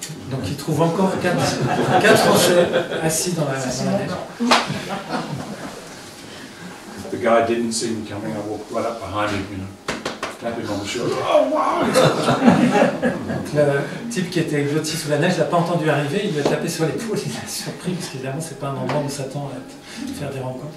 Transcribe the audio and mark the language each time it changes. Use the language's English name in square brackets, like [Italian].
[French] Donc il trouve encore quatre Français assis dans la neige. [English] The guy didn't see me coming. I walked right up behind him, you know, tap him on the shoulder. Oh wow! [French] Le type qui était blotti sous la neige l'a pas entendu arriver. Il lui a tapé sur l'épaule. Il l'a surpris parce qu'évidemment c'est pas un endroit où on s'attend à faire des rencontres.